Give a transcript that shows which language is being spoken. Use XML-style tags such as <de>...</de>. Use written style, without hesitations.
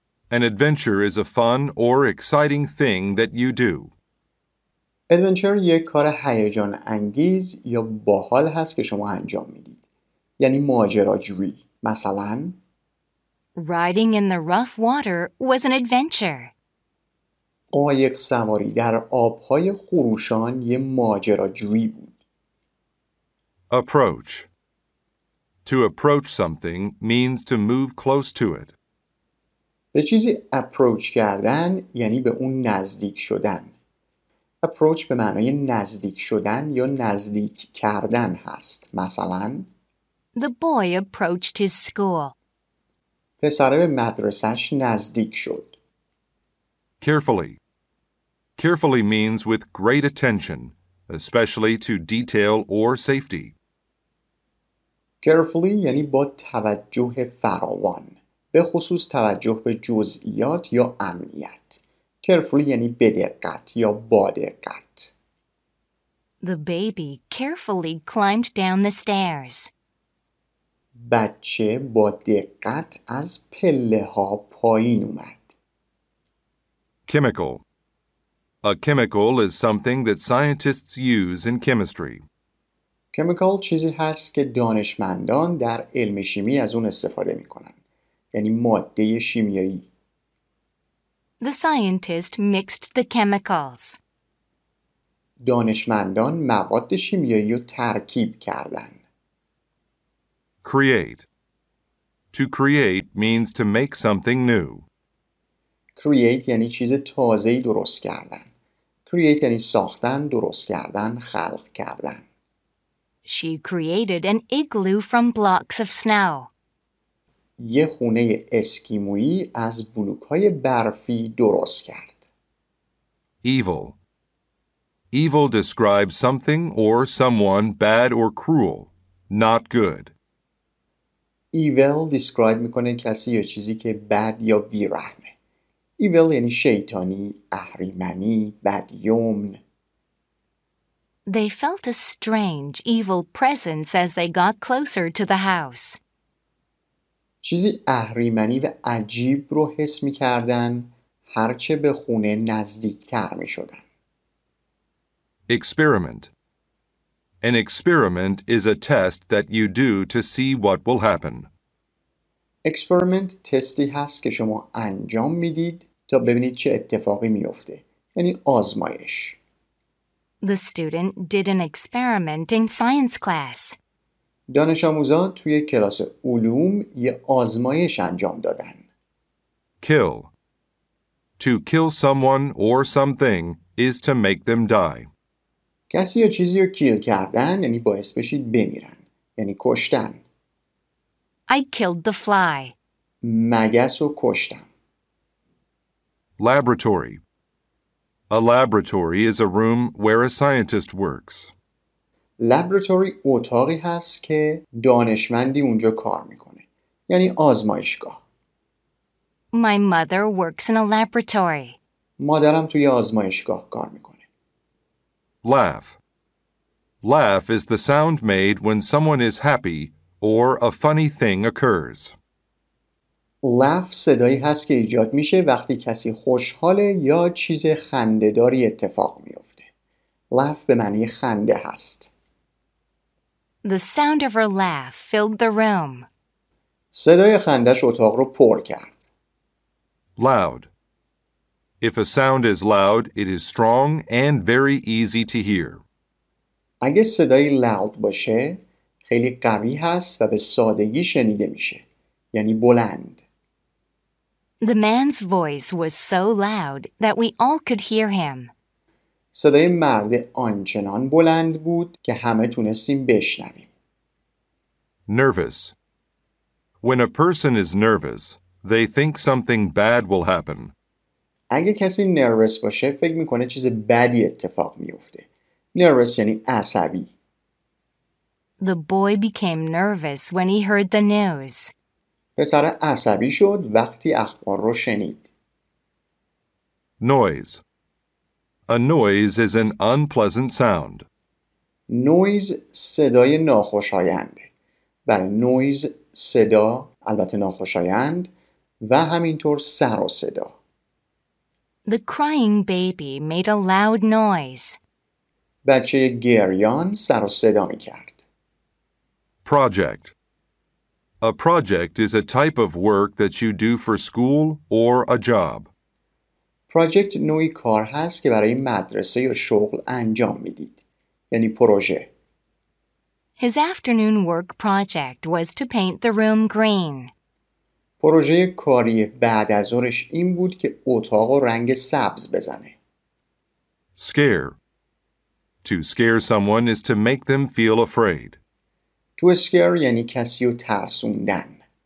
<en>An adventure is a fun or exciting thing that you do.</en> <fa>Adventure یک کار هیجان انگیز یا باحال هست که شما انجام میدید. یعنی ماجراجویی. مثلا</fa> <en>Riding in the rough water was an adventure.</en> <fa>قایق سواری در آب‌های خروشان یه ماجراجویی بود.</fa> <en>Approach. To approach something means to move close to it.</en> <fa>به چیزی approach کردن یعنی به اون نزدیک شدن. Approach به معنای نزدیک شدن یا نزدیک کردن هست. مثلاً</fa> <en>The boy approached his school.</en> <fa>پسره به مدرسهش نزدیک شد.</fa> <en>Carefully. Carefully means with great attention, especially to detail or safety.</en> <fa>Carefully یعنی با توجه فراوان، به خصوص توجه به جزئیات یا امنیت. Carefully یعنی بدقت یا بادقت.</fa> <en>The baby carefully climbed down the stairs.</en> <fa>بچه با دقت از پله ها پایین اومد.</fa> <en>Chemical. A chemical is something that scientists use in chemistry.</en> <fa>Chemical چیزی هست که دانشمندان در علم شیمی از اون استفاده می کنن. یعنی ماده شیمیایی.</fa> <en>The scientist mixed the chemicals.</en> <fa>دانشمندان مواد شیمیایی رو ترکیب کردن.</fa> <en>Create. To create means to make something new.</en> <fa>Create یعنی چیز تازه‌ای درست کردن. Create یعنی ساختن، درست کردن، خلق کردن.</fa> <en>She created an igloo from blocks of snow.</en> <fa>یه خونه اسکیمویی از بلوک‌های برفی درست کرد.</fa> <en>Evil. Evil describes something or someone bad or cruel, not good.</en> <fa>Evil describe میکنه کسی یا چیزی که بد یا بیرحمه. Evil یعنی شیطانی، اهریمنی، بدیومن.</fa> <en>They felt a strange evil presence as they got closer to the house.</en> <fa>چیزی اهریمنی و عجیب رو حس میکردن هرچه به خونه نزدیکتر میشدن.</fa> <en>Experiment. An experiment is a test that you do to see what will happen.</en> <fa>Experiment تستی هست که شما انجام میدید تا ببینید چه اتفاقی میفته. یعنی آزمایش.</fa> <en>The student did an experiment in science class.</en> <fa>دانش آموزان توی کلاس علوم یه آزمایش انجام دادن.</fa> <en>Kill. To kill someone or something is to make them die.</en> <fa>کسی یا چیزی رو کیل کردن یعنی باعث بشید بمیرن. یعنی کشتن.</fa> <en>I killed the fly.</en> <fa>مگس رو کشتم.</fa> <en>Laboratory. A laboratory is a room where a scientist works.</en> <fa>Laboratory اتاقی هست که دانشمندی اونجا کار میکنه. یعنی آزمایشگاه.</fa> <en>My mother works in a laboratory.</en> <fa>مادرم توی آزمایشگاه کار میکنه.</fa> <en>Laugh. Laugh is the sound made when someone is happy or a funny thing occurs.</en> <fa>Laugh صدایی هست که ایجاد میشه وقتی کسی خوشحاله یا چیز خندداری اتفاق میفته. Laugh به معنی خنده هست.</fa> <en>The sound of her laugh filled the room.</en> <fa>صدای خندش اتاق رو پر کرد.</fa> <en>Loud. If a sound is loud, it is strong and very easy to hear.</en> <fa>اگه صدای loud باشه، خیلی قوی هست و به سادگی شنیده میشه. یعنی بلند.</fa> <en>The man's voice was so loud that we all could hear him.</en> <fa>صدای مرد آنچنان بلند بود که همه تونستیم بشنویم.</fa> <en>Nervous. When a person is nervous, they think something bad will happen.</en> <fa>اگه کسی نروس باشه، فکر میکنه چیز بدی اتفاق میفته. Nervous یعنی عصبی.</fa> <en>The boy became nervous when he heard the news.</en> <fa>پسر عصبی شد وقتی اخبار رو شنید.</fa> <en>Noise. A noise is an unpleasant sound.</en> <fa>Noise صدای ناخوشاینده. بله noise صدا، البته ناخوشایند و همینطور سر و صدا.</fa> <en>The crying baby made a loud noise.</en> <fa>بچه گریان سر و صدا می کرد.</fa> <en>Project. A project is a type of work that you do for school or a job.</en> <fa>Project نوعی کار هست که برای مدرسه یا شغل انجام میدید. یعنی پروژه.</fa> <en>His afternoon work project was to paint the room green.</en> <fa>پروژه کاری بعد از ظهرش این بود که اتاق رو رنگ سبز بزنه.</fa> <en>Scare. To scare someone is to make them feel afraid.</en> <fa>To scare یعنی کسی رو ترسوندن.</fa>